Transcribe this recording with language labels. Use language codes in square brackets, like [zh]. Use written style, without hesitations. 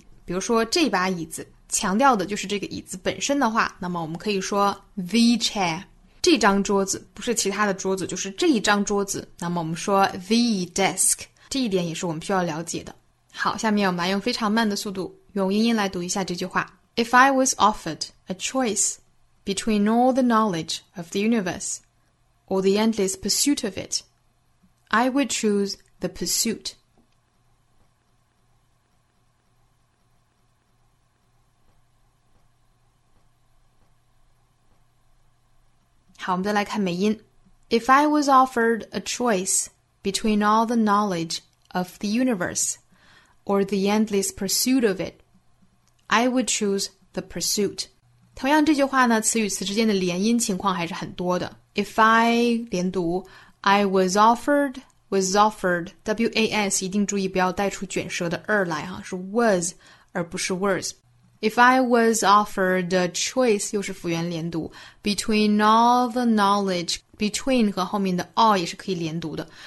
[zh] 比如说这把椅子，强调的就是这个椅子本身的话，那么我们可以说 The chair, 这张桌子不是其他的桌子，就是这一张桌子，那么我们说 The desk, 这一点也是我们需要了解的。好，下面我们来用非常慢的速度用英音来读一下这句话。 [en] If I was offered a choice between all the knowledge of the universe or the endless pursuit of it, I would choose the pursuit. [zh] How 我们再来看美音。 [en] If I was offered a choice between all the knowledge of the universeOr the endless pursuit of it, I would choose the pursuit. [zh] 同样这句话呢，词与词之间的连音情况还是很多的。 If I 连读 , I was offered, W-A-S, 一定注意不要带出卷舌的 er 来哈，是 was 而不是 was. If I was offered a choice, 又是复原连读 between all the knowledge, between 和后面的 all 也是可以连读的。